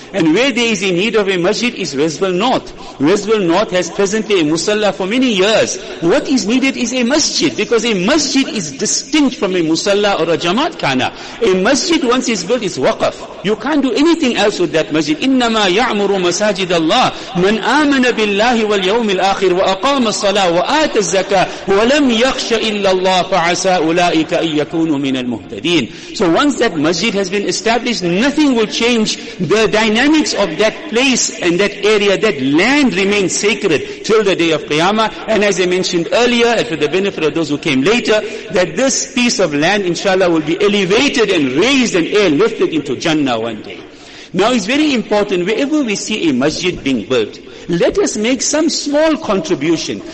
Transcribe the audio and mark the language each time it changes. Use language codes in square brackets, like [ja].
[en] And where there is a need of a masjid is Westville North. Westville North has presently a musalla for many years. What is needed is a masjid, because a masjid is distinct from a musalla or a jamaat khana. A masjid, once it's built, is waqaf. You can't do anything else with that masjid. [ar] إِنَّمَا يَعْمُرُ مَسَاجِدَ اللَّهِ مَنْ آمَنَ بِاللَّهِ وَالْيَوْمِ الْآخِرِ وَأَقَامَ الصَّلَاةِ وَآتَ الزَّكَاةِ وَلَمْ يَخْشَ إِلَّا اللَّهِ فَعَسَى أُولَٰئِكَ أَن يَكُونُوا مِنَ الْمُهْتَدِينَ [en] So once that masjid has been established, nothing will change. The dynamics of that place and that area, that land remains sacred till the day of Qiyamah. And as I mentioned earlier, and for the benefit of those who came later, that this piece of land, inshallah, will be elevated and raised and airlifted into Jannah one day. Now it's very important, wherever we see a masjid being built, let us make some small contribution.